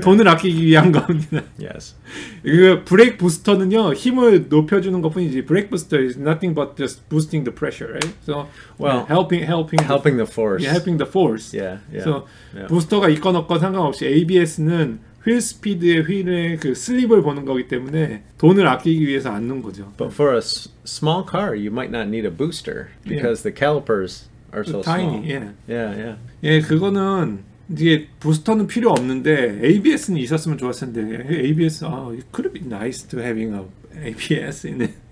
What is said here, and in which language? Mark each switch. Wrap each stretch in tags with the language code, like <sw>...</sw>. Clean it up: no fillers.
<ko>돈을 아끼기 위한 겁니다.</ko> <en>Yes.</en> <ko>그 브레이크 부스터는요, 힘을 높여주는 것뿐이지.</ko> <en>Brake booster is nothing but just boosting the pressure, right? So, well, helping the force. Yeah, helping the force. Yeah.</en> <ko>So, 부스터가 있건 없건 상관없이 ABS는 휠 스피드의 휠의 그 슬립을 보는 거기 때문에 돈을 아끼기 위해서 안는 거죠.</ko> <en>But for a small car, you might not need a booster because the calipers are so tiny, small. Yeah,</en> <ko>그거는 이제 부스터는 필요 없는데 ABS는 있었으면 좋았을 텐데</ko> <en>ABS, it could be nice to having a ABS in it.</en>